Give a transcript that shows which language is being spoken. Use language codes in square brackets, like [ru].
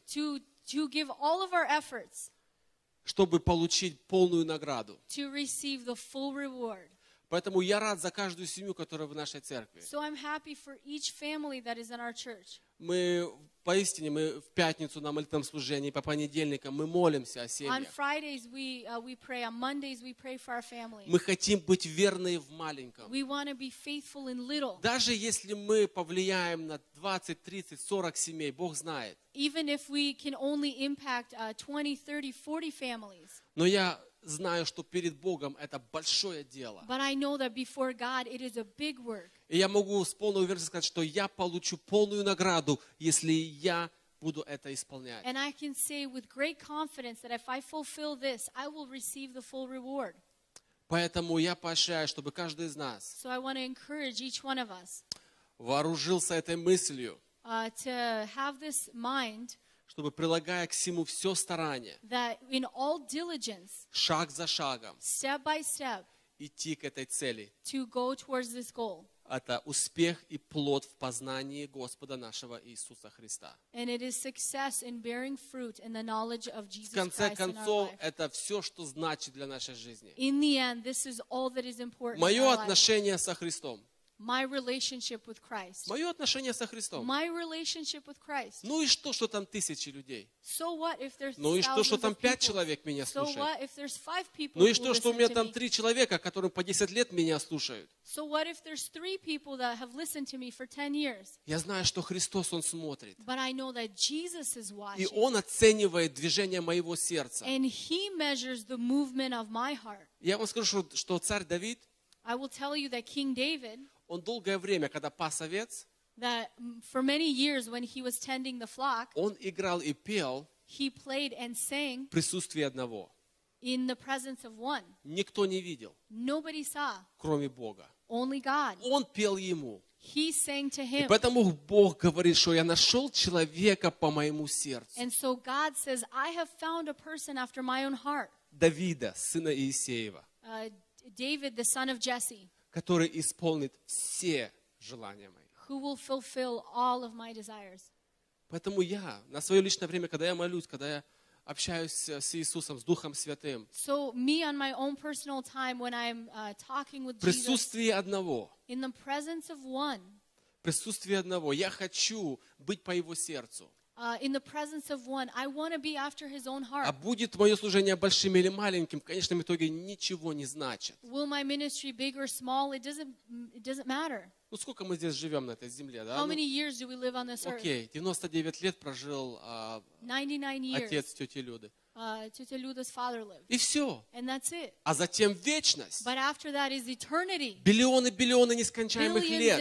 [en] to give all of our efforts. [ru] Чтобы получить полную награду. [en] To receive the full reward. [ru] Поэтому я рад за каждую семью, которая в нашей церкви. [en] So I'm happy for each family that is in our church. [ru] Мы поистине, мы в пятницу на молитвенном служении, по понедельникам мы молимся о семье. [en] On Fridays we pray, on Mondays we pray for our family. [ru] Мы хотим быть верны в маленьком. [en] We want to be faithful in little. [ru] Даже если мы повлияем на 20, 30, 40 семей, Бог знает. [en] Even if we can only impact 20, 30, 40 families. [ru] Но я знаю, что перед Богом это большое дело. [en] But I know that before God it is a big work. [ru] И я могу с полной уверенностью сказать, что я получу полную награду, если я буду это исполнять. [en] And I can say with great confidence that if I fulfill this, I will receive the full reward. [ru] Поэтому я поощряю, чтобы каждый из нас. [en] So I want to encourage each one of us. [ru] Вооружился этой мыслью. [en] To have this mind. [ru] Чтобы прилагая к всему все старание. [en] That in all diligence. [ru] Шаг за шагом. [en] Step by step. [ru] Идти к этой цели. [en] To go towards this goal. [ru] Это успех и плод в познании Господа нашего Иисуса Христа. [en] And it is success in bearing fruit in the knowledge of Jesus Christ. [ru] В конце концов, [en] in our life. [ru] Это все, что значит для нашей жизни. [en] In the end, this is all that is important. [ru] Мое отношение со Христом. [en] My relationship with Christ. [ru] Мое отношение со Христом. [en] My relationship with Christ. [ru] Ну и что, что там тысячи людей? [en] So what if there's [ru] ну и что, что там пять человек меня слушают? [en] So what if there's five people? [ru] Ну и что, что у меня там три человека, которым по 10 лет меня слушают? [en] So what if there's three people that have listened to me for 10 years? [ru] Я знаю, что Христос он смотрит. [en] But I know that Jesus is watching. [ru] И он оценивает движение моего сердца. [en] And he measures the movement of my heart. [ru] Я вам скажу, что, что царь Давид. [en] I will tell you that King David. [ru] Он долгое время, когда пас овец, [en] that for many years when he was tending the flock, [ru] он играл и пел, [en] he played and sang, [ru] в присутствии одного, [en] in the presence of one, [ru] никто не видел, [en] nobody saw, [ru] кроме Бога, [en] only God, [ru] он пел ему, [en] he sang to him, [ru] и поэтому Бог говорит, что я нашел человека по моему сердцу, [en] and so God says, I have found a person after my own heart, [ru] Давида, сына Иисеева, [en] David, the son of Jesse. [ru] Который исполнит все желания мои. [en] Who will fulfill all of my desires. [ru] Поэтому я, на свое личное время, когда я молюсь, когда я общаюсь с Иисусом, с Духом Святым. [en] So me on my own personal time when I'm talking with [ru] присутствие одного. [en] In the presence of one. [ru] Присутствие одного. Я хочу быть по его сердцу. [en] In the presence of one, I want to be after his own heart. [ru] А будет моё служение большим или маленьким, в конечном итоге ничего не значит. [en] Will my ministry big or small? It doesn't matter. [ru] Ну сколько мы здесь живём на этой земле, да? [en] How many years do we live on this earth? [ru] Окей, 99 лет прожил отец тёти Люды. [en] Тётя Люда's father lived. [ru] И всё. [en] And that's it. [ru] А затем вечность. [en] But after that is eternity. [ru] Биллионы, биллионы нескончаемых лет.